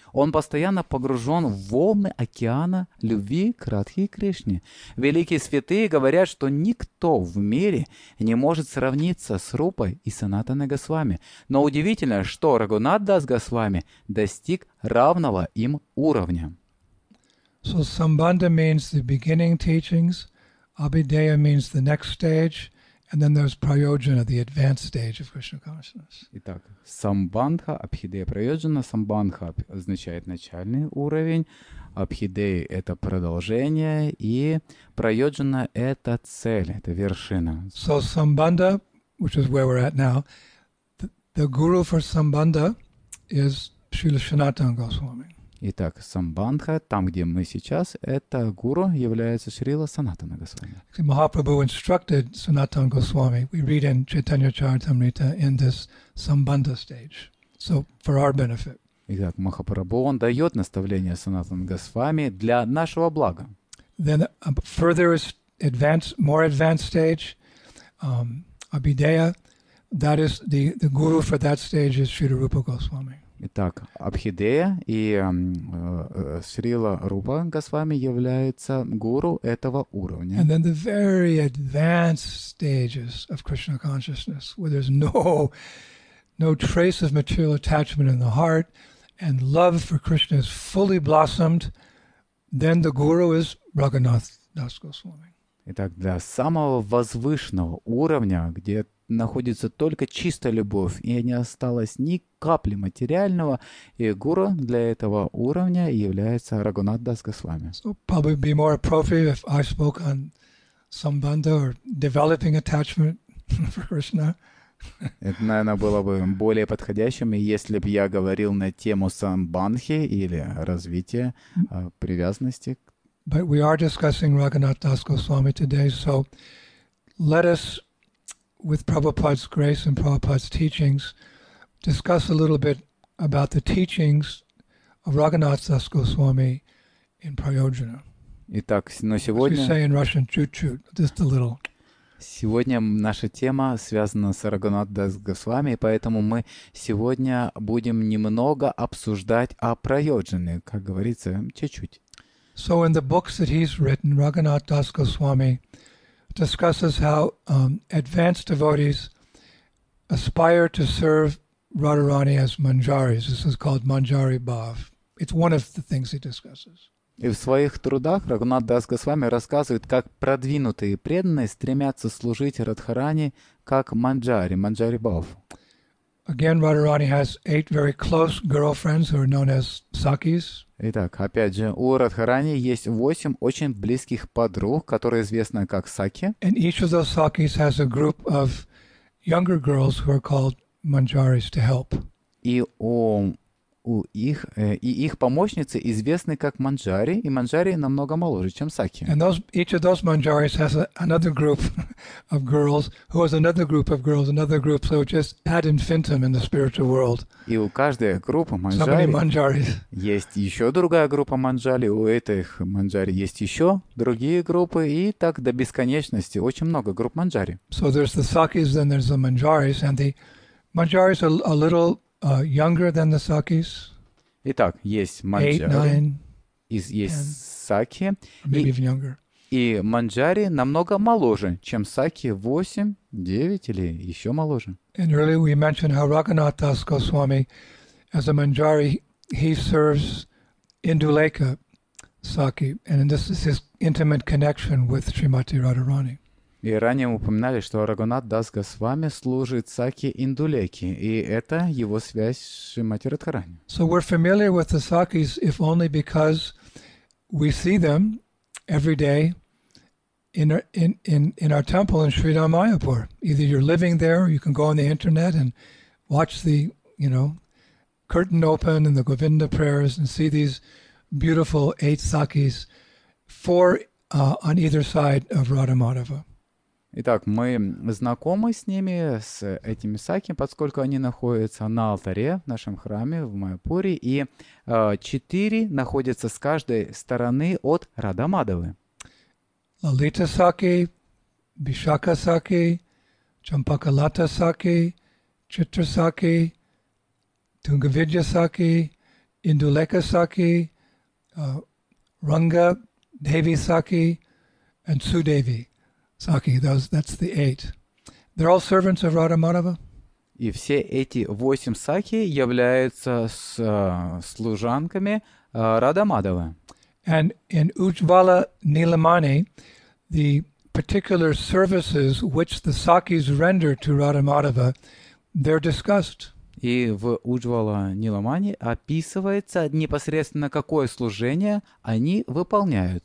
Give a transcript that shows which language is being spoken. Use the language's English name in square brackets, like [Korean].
[Russian] Он постоянно погружен в волны океана любви к Радхе и Кришне. Великие святые говорят, что никто в мире не может сравниться с Рупой и Санатаной Госвами. Но удивительно, что Рагунат Дас Госвами достиг равного им уровня. [English] So Sambandha means the beginning teachings, Abhideya means the next stage, and then there's Prayojana, the advanced stage of Krishna consciousness. [Russian] Итак, Sambandha, Abhideya, Prayojana. Sambandha означает начальный уровень, Abhideya – это продолжение, и Prayojana – это цель, это вершина. [English] So Sambandha, which is where we're at now, the guru for Sambandha is Srila Sanatana Goswami. [Russian] Итак, Самбандха, там, где мы сейчас, это гуру является Шрила Санатана Госвами. [English] Махапрабху instructed Sanatana Goswami. We read in Chaitanya Charitamrita in this Sambandha stage. So, for our benefit. [Russian] Итак, Махапрабху, он дает наставление Санатана Госвами для нашего блага. [English] Then a further advanced, more advanced stage, Abhideya, that is the guru for that stage is Sri Rupa Goswami. [Russian] Итак, Абхидея и Шрила Рупа Госвами являются гуру этого уровня. [English] And then the very advanced stages of Krishna consciousness, where there's no trace of material attachment in the heart, and love for Krishna is fully blossomed, then the guru is Raghunath Das Goswami. [Russian] Итак, для самого возвышенного уровня, где находится только чистая любовь, и не осталось ни капли материального, и гуру для этого уровня является Рагунат Дас Госвами. [English] So probably be more appropriate if I spoke on Sambandha or developing attachment for Krishna. [Russian] Это, наверное, было бы более подходящим, если бы я говорил на тему самбанхи или развития привязанности. [English] But we are discussing Raghunath Das Goswami today, so let us, with Prabhupada's grace and Prabhupada's teachings, discuss a little bit about the teachings of Raghunath Das Goswami in Prayojana. [Russian] Итак, но сегодня... [English] As we say in Russian, chut-chut, just a little. [Russian] Сегодня наша тема связана с Рагунатом Дас Госвами, поэтому мы сегодня будем немного обсуждать о Прайоджане, как говорится, чуть-чуть. [English] So in the books that he's written, Raghunath Das Goswami discusses how advanced devotees aspire to serve Radharani as Manjaris. This is called Manjari Bhav. It's one of the things he discusses. [Russian] И в своих трудах Рагунат Дас Госвами рассказывает, как продвинутые преданные стремятся служить Радхарани как Манджари, Манджари Бхав. [English] Again, Radharani has eight very close girlfriends who are known as Sakis. [Russian] Итак, опять же, у Радхарани есть восемь очень близких подруг, которые известны как Саки. [English] And each of those Sakis has a group of younger girls who are called Manjaris to help. [Russian] И их помощницы известны как Манджари, и Манджари намного моложе, чем Саки. [English] And each of those Manjaris has another group of girls, who has another group of girls, another group, so just ad infinitum in the spiritual world. [Russian] И у каждой группы Манджари есть еще другая группа Манджари, у этих Манджари есть еще другие группы, и так до бесконечности очень много групп Манджари. [English] So there's the Sakis, then there's the Manjaris, and the Manjaris are a little younger than the Sakis. [Russian] Итак, есть Манджари, есть Саки, и Манджари намного моложе, чем Саки, 8, 9 или еще моложе. [English] And earlier we mentioned how Raghunath Das Goswami as a Manjari, he serves Induleka Saki, and this is his intimate connection with Srimati Radharani. [Russian] И ранее мы упоминали, что Рагхунат Дас Госвами служит Саки Индулеки, и это его связь с Шримати Радхарани. [English] So we're familiar with the Sakis if only because we see them every day in our temple in Sridhar Mayapur. Either you're living there, or you can go on the internet and watch the, you know, curtain open and the Govinda prayers and see these beautiful eight Sakis, four on either side of Radha Madhava. [Russian] Итак, мы знакомы с ними, с этими саки, поскольку они находятся на алтаре в нашем храме в Майяпуре, и четыре находятся с каждой стороны от Радха Мадхавы. Лалита саки, Бишака саки, Чампакалата саки, Читра саки, Тунгавиджа саки, Индулека саки, Ранга Деви саки, and Судеви. [English] Саки, that's the eight. They're all servants of Radha Madhava. [Russian] И все эти восемь саки являются служанками Радха Мадхавы. [English] And in Ujjvala Nilamani, the particular services which the sakis render to Radha Madhava, they're discussed. [Russian] И в Ujjvala Nilamani описывается непосредственно какое служение они выполняют.